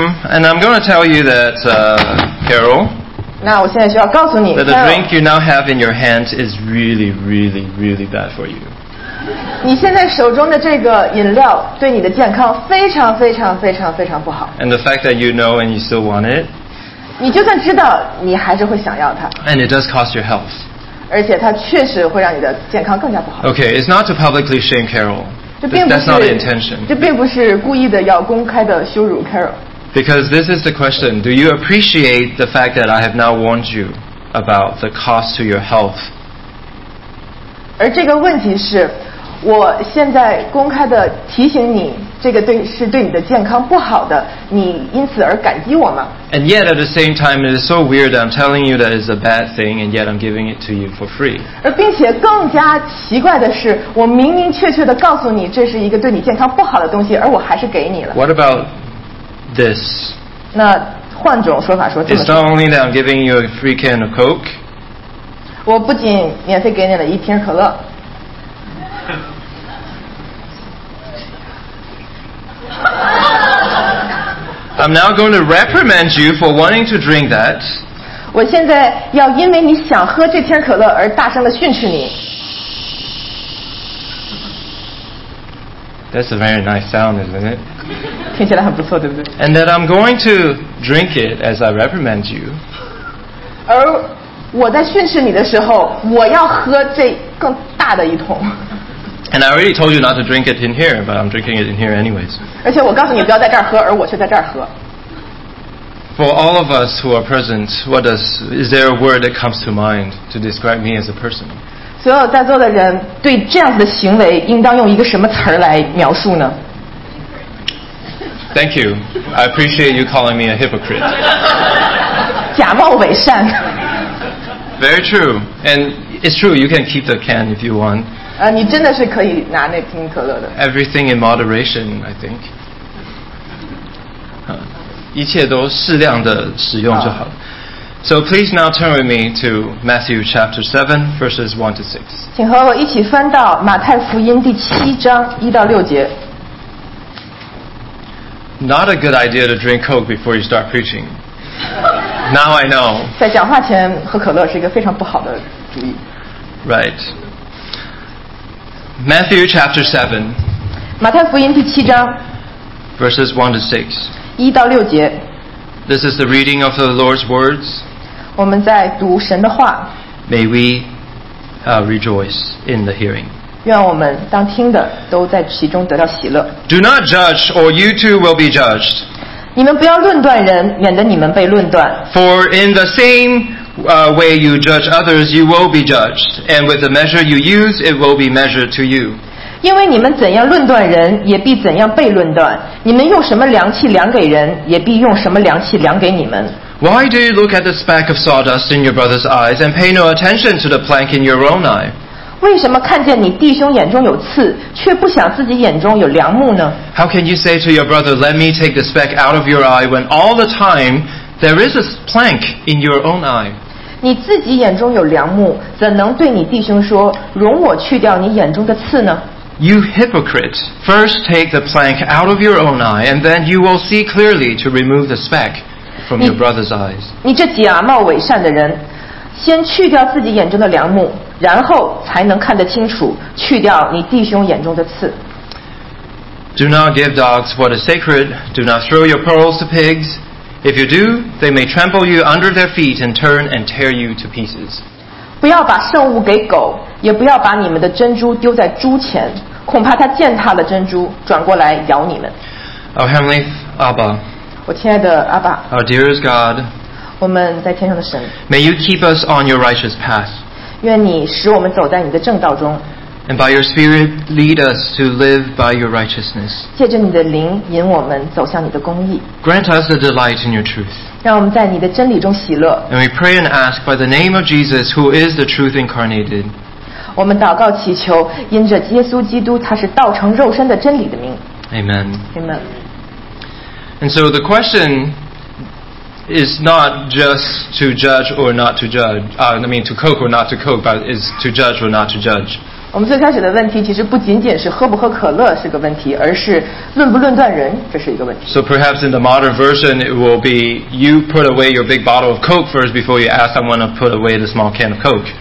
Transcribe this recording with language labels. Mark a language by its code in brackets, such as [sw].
[en] And I'm going to tell you that, Carol. [zh] 那我现在就要告诉你 [en] that the drink you now have in your hand is really, really, really bad for you. [zh] 你现在手中的这个饮料对你的健康非常非常非常非常不好。 [en] And the fact that you know and you still want it. [zh] 你就算知道，你还是会想要它。 [en] And it does cost your health. [zh] 而且它确实会让你的健康更加不好。 [en] Okay, it's not to publicly shame Carol. That's not the intention. [zh] 这并不是故意的要公开的羞辱 Carol. [en] Because this is the question. Do you appreciate the fact that I have now warned you about the cost to your health? [zh] 而这个问题是我现在公开的提醒你这个对是对你的健康不好的你因此而感激我吗 [en] And yet at the same time it is so weird I'm telling you that it's a bad thing and yet I'm giving it to you for free [zh] 而并且更加奇怪的是我明明确确的告诉你这是一个对你健康不好的东西而我还是给你了 [en] What about this? [zh] 那换种说法说这么说 [en] It's not only that I'm giving you a free can of Coke [zh] 我不仅免费给你了一瓶可乐 [en] I'm now going to reprimand you for wanting to drink that. [zh] 我现在要因为你想喝这瓶可乐而大声的训斥你。 [en] That's a very nice sound, isn't it? [zh] 听起来很不错，对不对 [en] ？And that I'm going to drink it as I reprimand you. [zh] 而我在训斥你的时候，我要喝这更大的一桶。 [en] And I already told you not to drink it in here, but I'm drinking it in here anyways. [zh] 而且我告诉你不要在这儿喝，而我却在这儿喝。 [en] For all of us who are present, is there a word that comes to mind to describe me as a person? [zh] 所有在座的人对这样子的行为应当用一个什么词儿来描述呢 [en] ？Thank you. I appreciate you calling me a hypocrite. [zh] 假冒伪善。 [en] Very true, and it's true. You can keep the can if you want. [zh] 你真的是可以拿那瓶可乐的。 [en] Everything in moderation, I think. [zh] 一切都适量的使用就好了。 [en] So please now turn with me to Matthew chapter 7, verses 1 to 6. [zh] 请和我一起翻到马太福音第七章一到六节。 [en] Not a good idea to drink Coke before you start preaching. Now I know. [zh] 在讲话前喝可乐是一个非常不好的主意。 [en] Right. Matthew chapter 7. [zh] 马太福音第七章 [en] Verses 1 to 6. [zh] 一到六节 [en] This is the reading of the Lord's words. [zh] 我们在读神的话 [en] May we rejoice in the hearing. [zh] 愿我们当听的都在其中得到喜乐 [en] Do not judge or you too will be judged. [zh] 你们不要论断人免得你们被论断 [en] For in the sameway you judge others, you will be judged, and with the measure you use, it will be measured to you. [zh] 因为你们怎样论断人，也必怎样被论断；你们用什么量器量给人，也必用什么量器量给你们。 [en] Why do you look at the speck of sawdust in your brother's eyes and pay no attention to the plank in your own eye? [zh] 为什么看见你弟兄眼中有刺，却不想自己眼中有梁木呢？ [en] How can you say to your brother, "Let me take the speck out of your eye," when all the time there is a plank in your own eye? [zh] 你自己眼中有梁木，怎能对你弟兄说，容我去掉你眼中的刺呢？ [en] You hypocrite, first take the plank out of your own eye, and then you will see clearly to remove the speck from your brother's eyes. [zh] 你这假冒伪善的人，先去掉自己眼中的梁木，然后才能看得清楚，去掉你弟兄眼中的刺。 [en] Do not give dogs what is sacred. Do not throw your pearls to pigs. If you do, they may trample you under their feet and turn and tear you to pieces. [zh] 不要把圣物给狗，也不要把你们的珍珠丢在猪前，恐怕它践踏了珍珠，转过来咬你们。 [en] Our heavenly Abba, [zh] 我亲爱的阿爸。 [en] Our dearest God, [zh] 我们在天上的神。 [en] May you keep us on your righteous path. [zh] 愿你使我们走在你的正道中。 [en] And by your Spirit lead us to live by your righteousness. [zh] 借着你的灵引我们走向你的公义。 [en] Grant us the delight in your truth. [zh] 让我们在你的真理中喜乐。 [en] And we pray and ask by the name of Jesus, who is the truth incarnated. [zh] 我们祷告祈求，因着耶稣基督，他是道成肉身的真理的名。 [en] Amen. Amen. And so the question is not just to judge or not to judge. To coke or not to coke, but is to judge or not to judge. [zh] 我们最开始的问题其实不仅仅是喝不喝可乐是个问题，而是论不论断人，这是一个问题。 [en] So perhaps in the modern version, it will be you put away your big bottle of coke first before you ask someone to put away the small can of coke.